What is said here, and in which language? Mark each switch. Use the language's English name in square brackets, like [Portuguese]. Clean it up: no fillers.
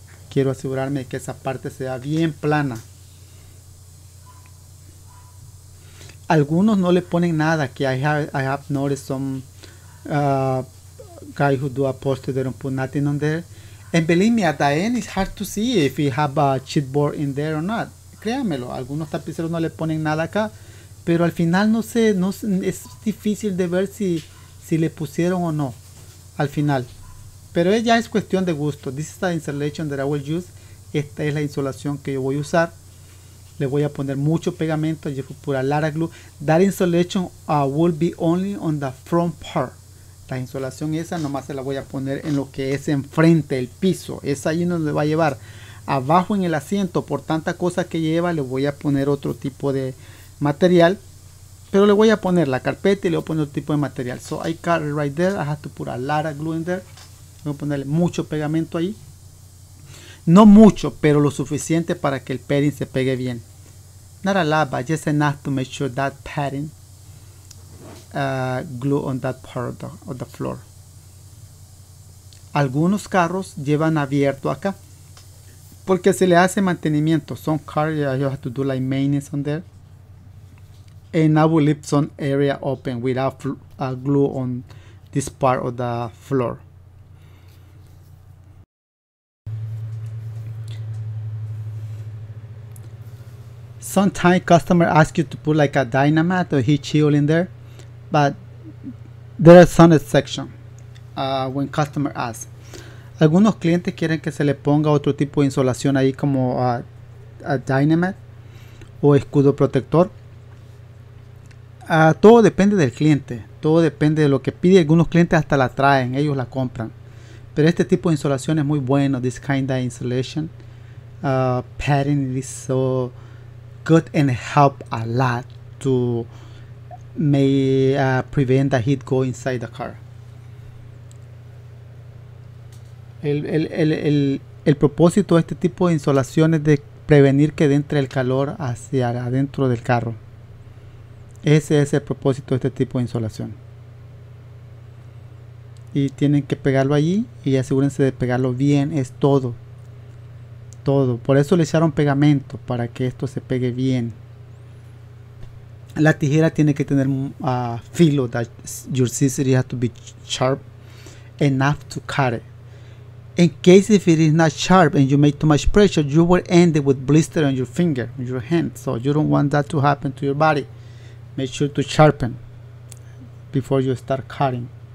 [Spanish] Quiero asegurarme que esa parte sea bien plana. Algunos no le ponen nada. [English] Que I have noticed some guys who do a poster, they don't put nothing on there. And believe me, at the end it's hard to see if you have a chipboard in there or not. [Spanish] Créamelo, algunos tapiceros no le ponen nada acá, pero al final no sé, no es difícil de ver si le pusieron o no al final, pero ya es cuestión de gusto. [English] This is the insulation that I will use. [Spanish] Esta es la insulación que yo voy a usar. Le voy a poner mucho pegamento, yo voy a poner [English] a lot of glue. That insulation will be only on the front part. [Spanish] La insolación esa nomás se la voy a poner en lo que es enfrente del piso. Es ahí donde va a llevar. Abajo en el asiento, por tanta cosa que lleva, le voy a poner otro tipo de material. Pero le voy a poner la carpeta y le voy a poner otro tipo de material. [English] So I cut it right there. I have to put a lot of glue in there. [Spanish] Voy a ponerle mucho pegamento ahí. No mucho, pero lo suficiente para que el padding se pegue bien. [English] Not a lot, but just enough to make sure that padding glue on that part of the floor. [Spanish] Algunos carros llevan abierto acá porque se le hace mantenimiento. [English] Some cars you have to do like maintenance on there. And I will leave some area open without glue on this part of the floor. Sometimes customer ask you to put like a dynamat or heat shield in there, but there are some exceptions when customer ask. [Spanish] Algunos clientes quieren que se le ponga otro tipo de insolación ahí como a dynamat o escudo protector. Todo depende del cliente, todo depende de lo que pide. Algunos clientes hasta la traen, ellos la compran. Pero este tipo de insolación es muy bueno, [English] this kind of insulation. Padding is so good and help a lot to may prevent the heat go inside the car. [Spanish] El propósito de este tipo de insolación es de prevenir que entre el calor hacia adentro del carro. Ese es el propósito de este tipo de insolación. Y tienen que pegarlo allí y asegúrense de pegarlo bien, es todo. Todo, por eso le echaron pegamento para que esto se pegue bien. La tijera tiene que tener filo, [English] that your scissors has to be sharp enough to cut it. In case if it is not sharp and you make too much pressure, you will end it with blister on your finger, your hand. So you don't want that to happen to your body. Make sure to sharpen before you start cutting.